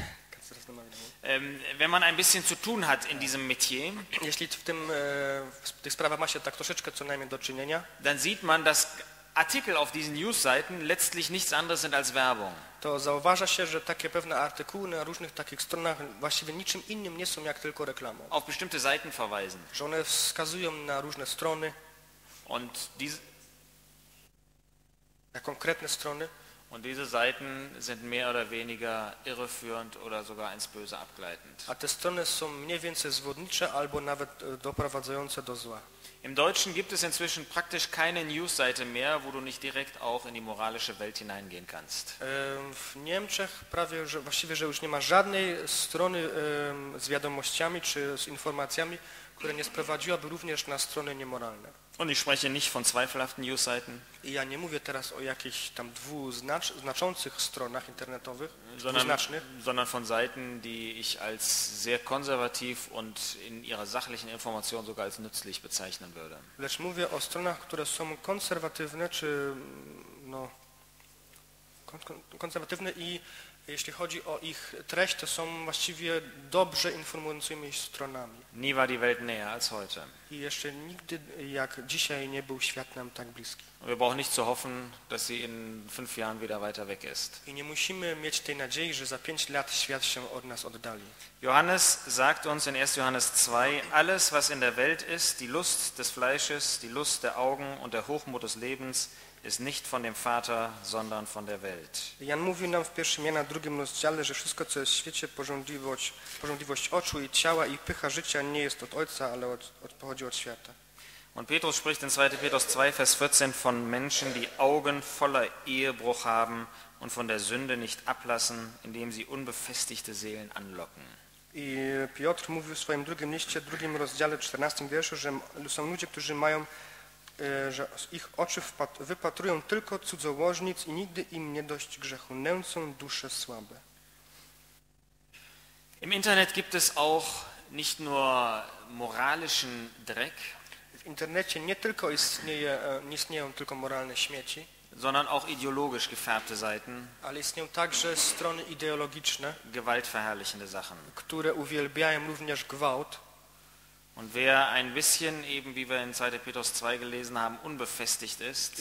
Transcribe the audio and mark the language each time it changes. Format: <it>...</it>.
<de>Kannst du das nochmal wiederholen? Wenn man ein bisschen zu tun hat in diesem Metier,</de> <pl>jeśli w tym, tych sprawach ma się tak troszeczkę co najmniej do czynienia,</pl> <de>dann sieht man, dass Artikel auf diesen Newsseiten letztlich nichts anderes sind als Werbung.</de> <pl>To zauważa się, że takie pewne artykuły na różnych takich stronach właściwie niczym innym nie są jak tylko reklamą.</pl> <de>Auf bestimmte Seiten verweisen.</de> <pl>Że one wskazują na różne strony.</pl> <de>Und diese</de> <pl>na konkretne strony.</pl> <de>Und diese Seiten sind mehr oder weniger irreführend oder sogar ins Böse abgleitend.</de> <pl>A te strony są mniej więcej zwodnicze albo nawet doprowadzające do zła.</pl> <de>Im Deutschen gibt es inzwischen praktisch keine Newsseite mehr, wo du nicht direkt auch in die moralische Welt hineingehen kannst.</de> <pl>W Niemczech prawie, że właściwie, że już nie ma żadnej strony z wiadomościami czy z informacjami, które nie sprowadziłaby również na strony niemoralne.</pl> <de>Und ich spreche nicht von zweifelhaften Newsseiten.</de> <pl>I ja nie mówię teraz o jakichś tam dwuznaczących stronach internetowych, dwuznacznych,</pl> <de>sondern von Seiten, die ich als sehr konservativ und in ihrer sachlichen Information sogar als nützlich bezeichnen würde.</de> <pl>Lecz mówię o stronach, które są konserwatywne, czy no konserwatywne i jeśli chodzi o ich treść, to są właściwie dobrze informującymi stronami.</pl> <de>Nie war die Welt näher als heute.</de> <pl>I jeszcze nigdy jak dzisiaj nie był świat nam tak bliski.</pl> <de>Wir brauchen nicht zu hoffen, dass sie in 5 Jahren wieder weiter weg ist.</de> <pl>I nie musimy mieć tej nadziei, że za 5 lat świat się od nas oddali.</pl> <de>Johannes sagt uns in 1. Johannes 2, alles was in der Welt ist, die Lust des Fleisches, die Lust der Augen und der Hochmut des Lebens, ist nicht von dem Vater, sondern von der Welt.</de> <pl>Jan mówi nam w pierwszym Jana, drugim rozdziale, że wszystko, co jest w świecie, pożądliwość oczu i ciała i pycha życia, nie jest od Ojca, ale pochodzi od świata.</pl> <de>Und Petrus spricht in 2. Petrus 2, Vers 14 von Menschen, die Augen voller Ehebruch haben und von der Sünde nicht ablassen, indem sie unbefestigte Seelen anlocken.</de> <pl>I Piotr mówi w swoim drugim liście, drugim rozdziale, 14. wierszu, że są ludzie, którzy mają że ich oczy wypatrują tylko cudzołożnic i nigdy im nie dość grzechu, nęcą dusze słabe.</pl> <de>Im Internet gibt es auch nicht nur moralischen Dreck.</de> <pl>W internecie nie tylko istnieją tylko moralne śmieci,</pl> <de>sondern auch ideologisch gefärbte Seiten.</de> <pl>Ale istnieją także strony ideologiczne,</pl> <de>gewaltverherrlichende Sachen,</de> <pl>które uwielbiają również gewalt.</pl> <de>Und wer ein bisschen, eben wie wir in 2. Petrus 2 gelesen haben, unbefestigt ist,</de>